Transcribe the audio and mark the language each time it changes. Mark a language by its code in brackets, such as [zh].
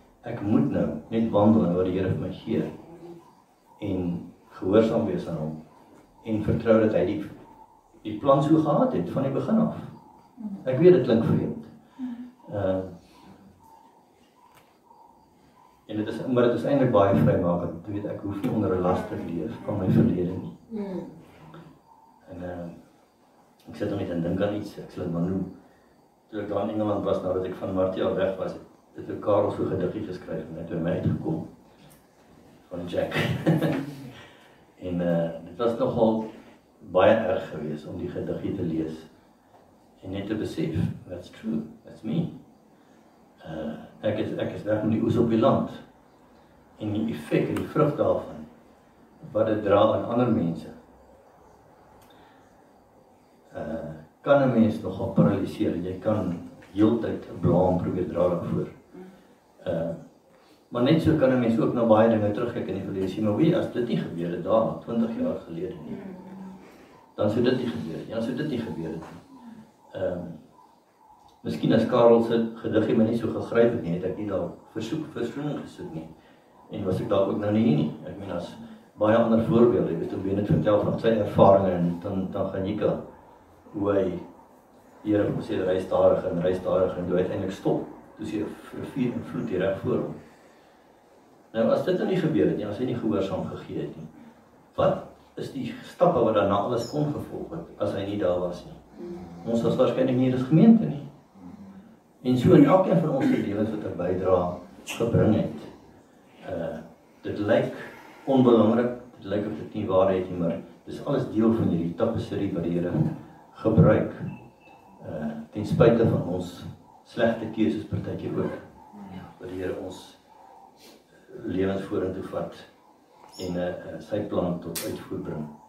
[af] Ek moet nou net wandel in wat die Here vir my gee en gehoorsaam wees aan hom en vertrou dat hy die plan so gehad het van die begin af. Ek weet dit klink vreemd. En dit is, maar dit is eintlik baie vrymaking. Ek weet ek hoef nie onder 'n las te leef van my verlede nie. En ek sit met en dink aan iets, ek sal dit maar noem. Toe ek daar in Engeland was, nadat ek van Martie al weg was, het ek Karel so gediggie geskryf en het by my uitgekom. Van Jack. En dit was nogal baie erg gewees om die gediggie te lees. En net te besef, [en] that's true, that's me. [af] Ek is weg om die oes op die land. En die effek en die vrug daarvan, wat dit dra aan ander mense, kan 'n mens nogal paralyseer. Jy kan heeltyd blame probeer dra daarvoor. Maar net so kan 'n mens ook na baie dinge terugkyk in die verlede sien, maar wie as dit nie gebeur het daar 20 jaar gelede nie. Dan sou dit nie gebeur het. Ja, sou dit nie gebeur het nie. Miskien as Karel se gediggie my nie so gegryp het nie, het ek nie daar versoening gesoek nie. En was ek dalk ook nou nie hier nie. Ek meen as baie ander voorbeelde, jy weet hoe Ben het vertel van sy ervarings en dan gaan Jika hoe hy Here kom sê, reis stadiger en toe uiteindelik stop. Toe sê vir en vloed hier reg voor hom. Nou as dit nou nie gebeur het nie, as hy nie gehoorsaam gegee het nie, wat is die stappe wat daarna alles kon gevolg het, as hy nie daar was nie. Ons was waarskynlik nie in die gemeente nie. En so in elkeen van ons lewens wat 'n bydrae gebring het, dit lyk onbelangrik, dit lyk of dit nie waar het nie, maar dis alles deel van hierdie tapisserie wat die Here gebruik, ten spyte van ons slegte keuses partytjie ook, wat die Here ons lewens vorentoe vat en sy plan tot uitvoer bring.